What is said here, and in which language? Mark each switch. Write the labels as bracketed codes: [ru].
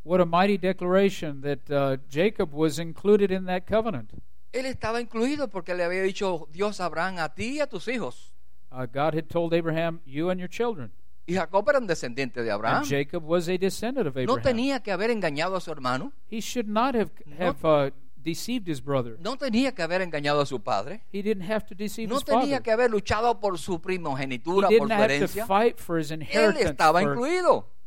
[en] What a mighty declaration that Jacob was included in that covenant. [es] Él estaba incluido porque le había dicho Dios a Abraham, a ti y a tus hijos. [en] God had told Abraham, you and your children. [es] Y Jacob era un descendiente de Abraham. [en] And Jacob was a descendant of Abraham. [es] No tenía que haber engañado a su hermano. [en] He should not have deceived his brother. [es] No tenía que haber engañado a su padre. [en] He didn't have to deceive [es] no [en] his father. [es] No tenía que haber luchado por su primogenitura, [en] he didn't [es] por su herencia. [en] Have to fight for his inheritance. [es] Él estaba incluido.